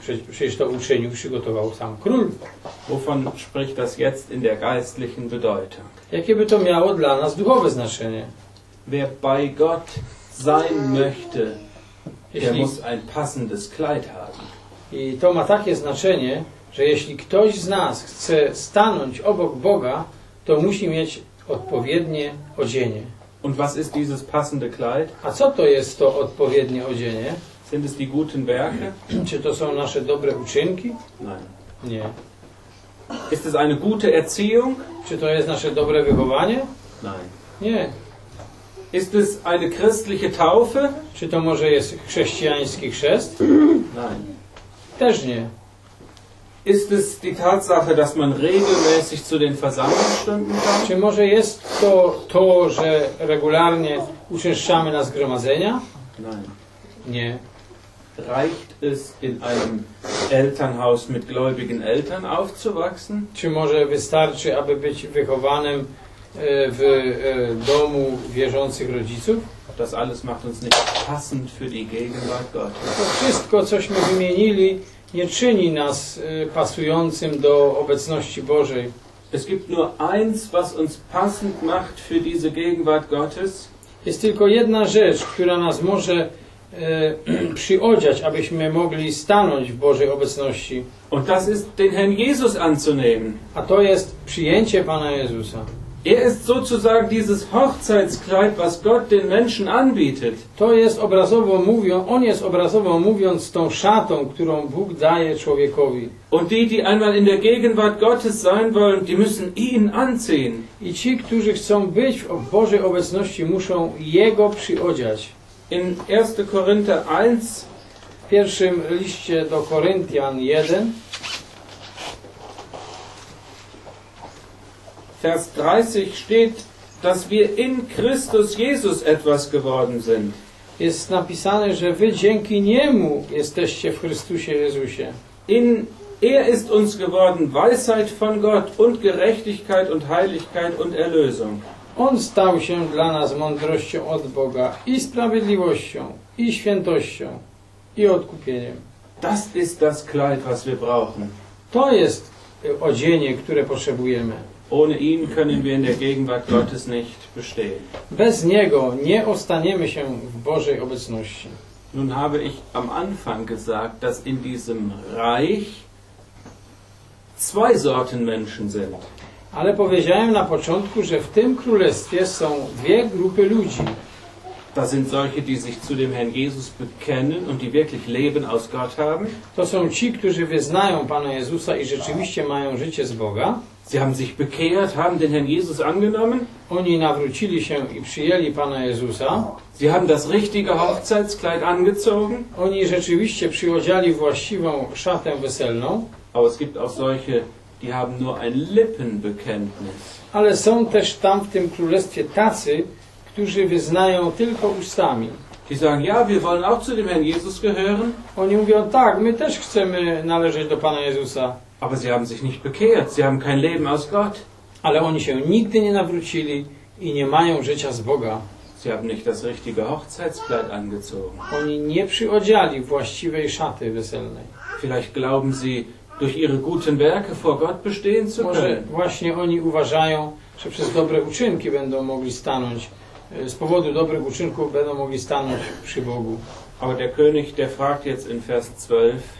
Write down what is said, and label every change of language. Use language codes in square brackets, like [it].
[pl] Przecież to uczynił, przygotował sam król. [de] Wovon spricht das jetzt in der geistlichen Bedeutung? [pl] Jakie by to miało dla nas duchowe znaczenie? [de] Wer bei Gott sein möchte, der muss ein passendes Kleid haben. [pl] I to ma takie znaczenie, że jeśli ktoś z nas chce stanąć obok Boga, to musi mieć odpowiednie odzienie. [de] Und was ist dieses passende Kleid? [pl] A co to jest to odpowiednie odzienie? [de] Sind es die guten Werke? [pl] Czy to są nasze dobre uczynki? [de] Nein. [pl] Nie. [de] Ist es eine gute Erziehung? [pl] Czy to jest nasze dobre wychowanie? [de] Nein. [pl] Nie. [de] Ist es eine christliche Taufe? [pl] Czy to może jest chrześcijański chrzest? [de] Nein. [pl] Też nie. [de] Ist es die Tatsache, dass man regelmäßig zu den Versammlungsstunden kommt? [pl] Czy może jest to to, że regularnie uczęszczamy na zgromadzenia? [de] Nein. [pl] Nie. [de] Reicht es, in einem Elternhaus mit gläubigen Eltern aufzuwachsen? [pl] Czy może wystarczy, aby być wychowanym w domu wierzących rodziców? [de] Das alles macht uns nicht passend für die Gegenwart Gottes. [pl] To wszystko, cośmy wymienili, nie czyni nas pasującym do obecności Bożej. [de] Es gibt nur eins, was uns passend macht für diese Gegenwart Gottes. [pl] Jest tylko jedna rzecz, która nas może przyodziać, abyśmy mogli stanąć w Bożej obecności. [de] Und das ist den Herrn Jesus anzunehmen. [pl] A to jest przyjęcie Pana Jezusa. [de] Er ist sozusagen dieses Hochzeitskleid, was Gott den Menschen anbietet. [pl] To jest obrazowo mówiąc, on jest obrazowo mówiąc tą szatą, którą Bóg daje człowiekowi. [de] Und die, die einmal in der Gegenwart Gottes sein wollen, die müssen ihn anziehen. [pl] I ci, którzy chcą być w Bożej obecności, muszą jego przyodziać. [de] In 1. Korinther 1, [pl] w pierwszym liście do Koryntian 1, [de] Vers 30 steht, dass wir in Christus Jesus etwas geworden sind. [pl] jest napisane, że wy dzięki niemu jesteście w Chrystusie Jezusie. [de] In er ist uns geworden Weisheit von Gott und Gerechtigkeit und Heiligkeit und Erlösung. [pl] On stał się dla nas mądrością od Boga i sprawiedliwością i świętością i odkupieniem. [de] Das ist das Kleid, was wir brauchen. [pl] To jest odzienie, które potrzebujemy. [de] Ohne ihn können wir in der Gegenwart Gottes nicht bestehen. [pl] Bez niego nie ostaniemy się w Bożej obecności. [de] Nun habe ich am Anfang gesagt, dass in diesem Reich zwei Sorten Menschen sind. [pl] Ale powiedziałem na początku, że w tym królestwie są dwie grupy ludzi. [de] Das sind solche, die sich zu dem Herrn Jesus bekennen und die wirklich Leben aus Gott haben. [pl] To są ci, którzy wyznają Pana Jezusa i rzeczywiście mają życie z Boga. [de] Sie haben sich bekehrt, haben den Herrn Jesus angenommen. [pl] Oni nawrócili się i przyjęli Pana Jezusa. [de] Sie haben das richtige Hochzeitskleid angezogen. [pl] Oni rzeczywiście przyodziali właściwą szatę weselną. [de] Aber es gibt auch solche, die haben nur ein Lippenbekenntnis. [pl] Ale są też tam w tym królestwie tacy, którzy wyznają tylko ustami. [de] Die sagen, ja, wir wollen auch zu dem Herrn Jesus gehören. [pl] Oni mówią, tak, my też chcemy należeć do Pana Jezusa. [de] Aber sie haben sich nicht bekehrt, sie haben kein Leben aus Gott. [pl] Ale oni się nigdy nie nawrócili i nie mają życia z Boga. [de] Sie haben nicht das richtige Hochzeitskleid angezogen. [pl] Oni nie przyodziali właściwej szaty weselnej. [de] Vielleicht glauben sie, durch ihre guten Werke vor Gott bestehen zu können. [pl] Może właśnie oni uważają, że przez dobre uczynki będą mogli stanąć, z powodu dobrych uczynków będą mogli stanąć przy Bogu. [de] Aber der König, der fragt jetzt in Vers 12.